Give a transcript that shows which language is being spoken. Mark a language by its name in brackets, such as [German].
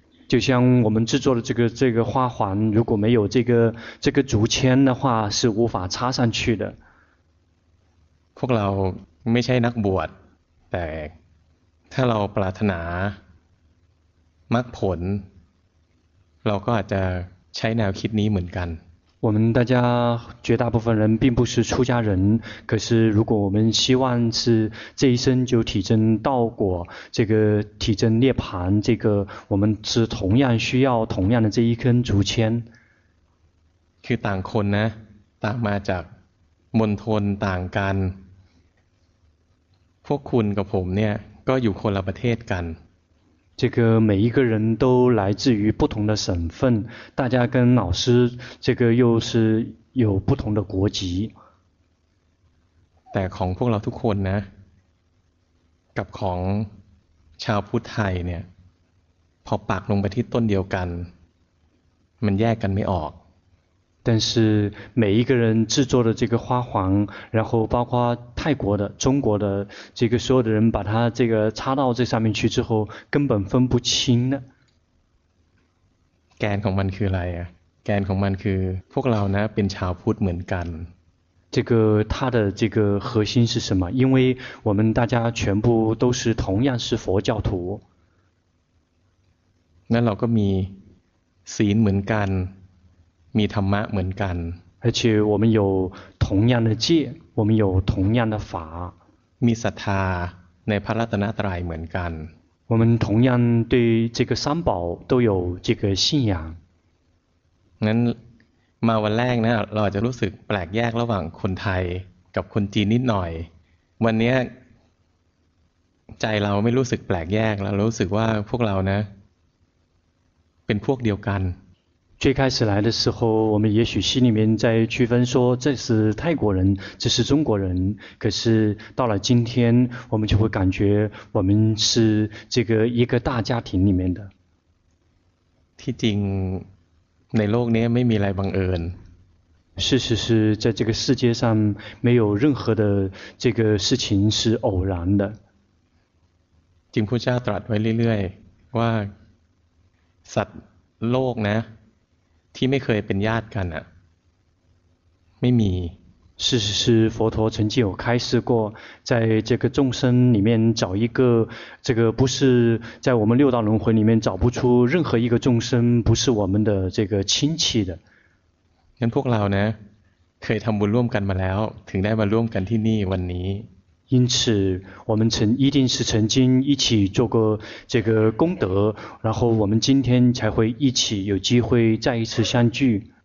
[Chinese] 就像我们制作的这个花环如果没有这个竹签的话是无法插上去的 [Thai] พวกเราไม่ใช่นักบวชแต่ถ้าเราปรารถนามรรคผลเราก็อาจจะใช้แนวคิดนี้เหมือนกัน [Chinese] 我们大家绝大部分人并不是出家人可是如果我们希望是这一生就体证道果这个体证涅槃这个我们是同样需要同样的这一根竹签 [Thai] คือต่างคนนะต่างมาจากมณฑลต่างกันพวกคุณกับผมเนี่ยก็อยู่คนละประเทศกัน [Chinese] 这个每一个人都来自于不同的省份大家跟老师这个又是有不同的国籍 [Thai] แต่ของพวกเราทุกคนนะกับของชาวพุทธไทยเนี่ยพอปักลงไปที่ต้นเดียวกันมันแยกกันไม่ออก [Chinese] 但是每一个人制作的这个花黄，然后包括泰国的、中国的这个所有的人把它这个插到这上面去之后，根本分不清的。 [Thai] 干ของมันคืออะไรอ่ะ干ของมันคือพวกเราเนี่ยเป็นชาวพุทธเหมือนกัน [Chinese] 这个它的这个核心是什么？因为我们大家全部都是同样是佛教徒。 [Thai] 那เราก็มีศีลเหมือนกันมีธรรมะเหมือนกัน [Chinese] 而且我们有同样的戒，我们有同样的法。 [Thai] มีศรัทธาในพระรัตนตรัยเหมือนกัน [Chinese] 我们同样对这个三宝都有这个信仰。 [Thai] นั้นมาวันแรกนะเราจะรู้สึกแปลกแยกระหว่างคนไทยกับคนจีนนิดหน่อยวันนี้ใจเราไม่รู้สึกแปลกแยกแล้วรู้สึกว่าพวกเรานะเป็นพวกเดียวกัน [Chinese] 最开始来的时候我们也许心里面在区分说这是泰国人这是中国人可是到了今天我们就会感觉我们是这个一个大家庭里面的 [Thai] ที่จริงในโลกนี้ไม่มีอะไรบังเอิญ [Chinese] 是是是在这个世界上没有任何的这个事情是偶然的 [Thai] จริงพุทธเจ้าตรัสไว้เรื่อยๆว่าสัตว์โลกนะที่ไม่เคยเป็นญาติกันอะไม่มี [Chinese] 事实是佛陀曾经有开示过在这个众生里面找一个这个不是在我们六道轮回里面找不出任何一个众生不是我们的这个亲戚的 [Thai] งั้นพวกเราเนี่ยเคยทำบุญร่วมกันมาแล้วถึงได้มาร่วมกันที่นี่วันนี้ [Chinese] 因此我们曾一定是曾经一起做过这个功德然后我们今天才会一起有机会再一次相聚